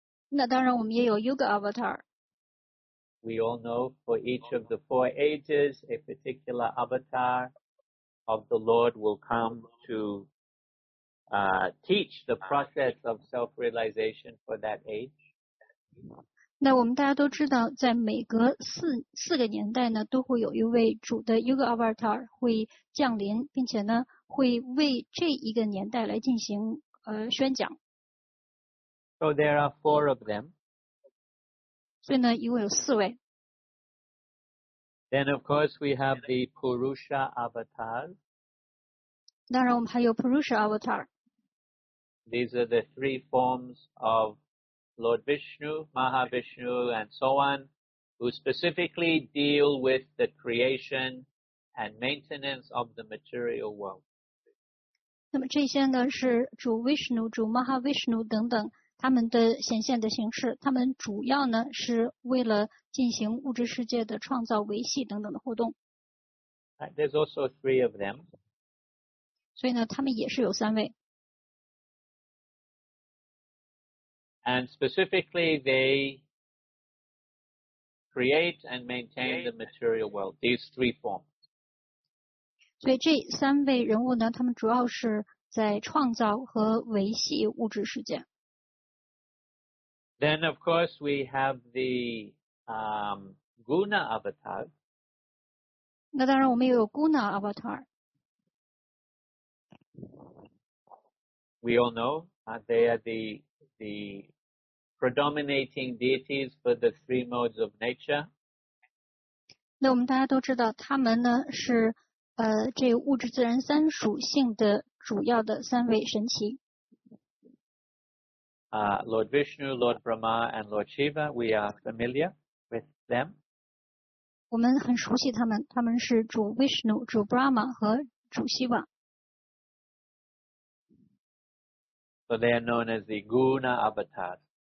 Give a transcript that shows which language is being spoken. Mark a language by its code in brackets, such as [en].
[zh] 那当然我们也有 Yuga avatar. [en] We all know for each of the four ages, a particular avatar of the Lord will come toteach the process of self-realization for that age. [zh] 那我们大家都知道，在每隔四个年代呢，都会有一位主的 Yuga Avatar 会降临，并且呢，会为这一个年代来进行宣讲。 [en] So there are four of them. [zh] 所以呢，一共有四位。 [en] Then of course we have the Purusha Avatar. [zh] 当然，我们还有 Purusha Avatar. [en] These are the three forms of Lord Vishnu, Mahavishnu, and so on, who specifically deal with the creation and maintenance of the material world. [zh] 那么这些呢是主 Vishnu, 主 Mahavishnu 等等他们的显现的形式，他们主要呢是为了进行物质世界的创造、维系等等的活动。 [en] There's also three of them. [zh] 所以呢，他们也是有三位。 [en] And specifically, they create and maintain the material world, these three forms. [zh] 所以这三位人物呢，他们主要是在创造和维系物质世界。 [en] Then, of course, we have the, Guna Avatar. [zh] 那当然我们也有 Guna Avatar. [en] We all know, they are the,predominating deities for the three modes of nature. [zh] 那我们大家都知道他们呢是这物质自然三属性的主要的三位神祇。 [en] Lord Vishnu, Lord Brahma, and Lord Shiva, we are familiar with them. [zh] 我们很熟悉他们，他们是主 Vishnu, 主 Brahma 和主 Shiva。 [en] So they are known as the Guna Avatars.